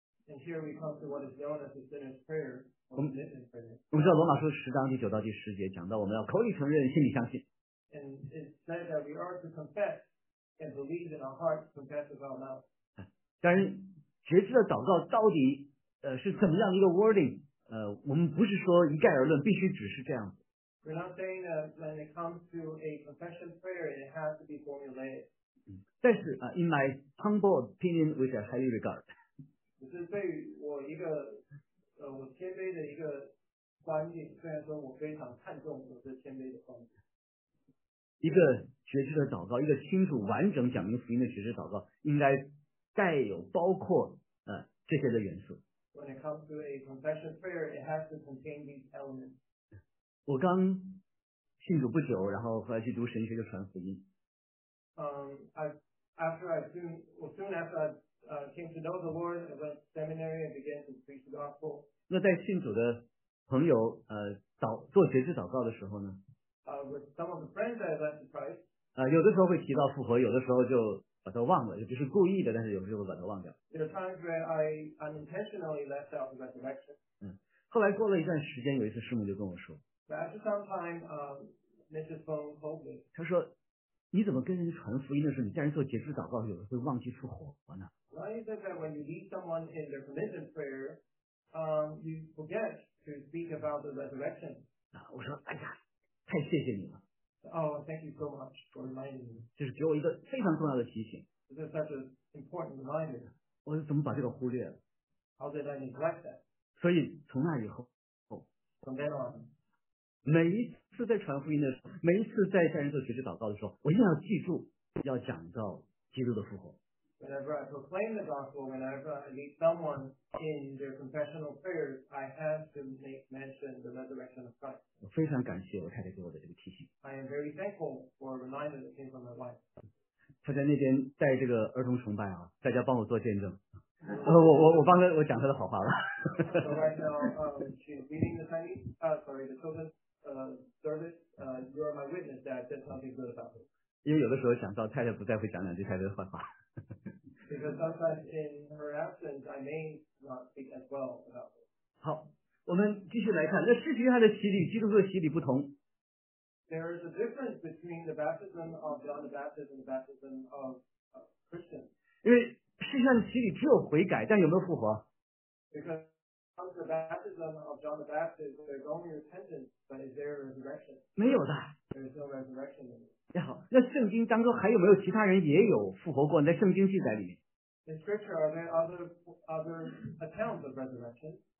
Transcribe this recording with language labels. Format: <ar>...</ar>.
<en>And here we come to what is known as the sinner's prayer.</en> <zh>我们知道罗马书十章第九到第十节讲到，我们要口里承认，心里相信。</zh> <en>And it says that we are to confess and believe in our hearts, confess with our mouth.</en> <zh>但是决志的祷告到底是怎么样一个 wording？我们不是说一概而论，必须只是这样子。</zh> <en>We're not saying that when it comes to a confession prayer, it has to be formulated. 但是in my humble opinion, which I highly regard.</en> <zh>只是对我一个我谦卑的一个观点，虽然说我非常看重我这谦卑的观点。一个决志的祷告，一个清楚完整讲明福音的决志祷告，应该带有包括这些的元素。</zh> <en>When it comes to a confession prayer, it has to contain these elements.</en> <zh>我刚信主不久，然后后来去读神学就传福音。</zh> <en>Soon after I came to know the Lord, I went to seminary and began to preach the gospel.</en> <zh>那在信主的朋友做决志祷告的时候呢？</zh> <en>With some of the friends that I left to Christ.</en> <zh>有的时候会提到复活，有的时候就把它忘了，就是故意的，但是有时候把它忘掉。</zh> <en>There are times where I unintentionally left out the resurrection.</en> <zh>后来过了一段时间，有一次师母就跟我说。</zh> <en>But after some time, Mrs. Phone told me.</en> <zh>她说，你怎么跟人传福音的时候，你叫人做结束祷告，有的会忘记复活呢</zh> <en>？Why is it that when you lead someone in their commitment prayer, you forget to speak about the resurrection?</en> <zh>我说，哎呀。太谢谢你了。</zh> <en>Oh, thank you so much for reminding me.</en> <zh>就是给我一个非常重要的提醒。</zh> <en>This is such an important reminder.</en> <zh>我怎么把这个忽略了</zh> <en>？How did I neglect that?</en> <zh>所以从那以后</zh> <en>，From then on,</en> <zh>每一次在传福音的时候，每一次在向人做决志祷告的时候，我一定要记住要讲到基督的复活。</zh> <en>Whenever I proclaim the gospel, whenever I meet someone in their confessional prayers, I have to make mention the resurrection of Christ.</en> <zh>我非常感谢我太太给我的这个提醒。</zh> <en>I am very thankful for a reminder that came from my wife.</en> <zh>她在那边带这个儿童崇拜啊，大家帮我做见证。我帮她，我讲她的好话了。</zh> <en>So right now, she's leading the Chinese, the children's service. You are my witness that I said something good about her.</en> <zh>因为有的时候想到太太不再会讲两句太太的坏话。</zh> <en>Because sometimes in her absence, I may not speak as well about it.</en> <zh>好，我们继续来看，那事实上的洗礼，基督的洗礼不同。</zh> <en>There is a difference between the baptism of John the Baptist and the baptism of Christian.</en> <zh>因为事实上的洗礼只有悔改，但有没有复活</zh> <en>？Because under the baptism of John the Baptist, there is only repentance, but is there a resurrection?</en> <zh>没有的。</zh> <en>There is no resurrection in it.</en> <zh>好，那圣经当中还有没有其他人也有复活过？在圣经记载里面。</zh> <en>In scripture, are there other accounts of resurrection?</en>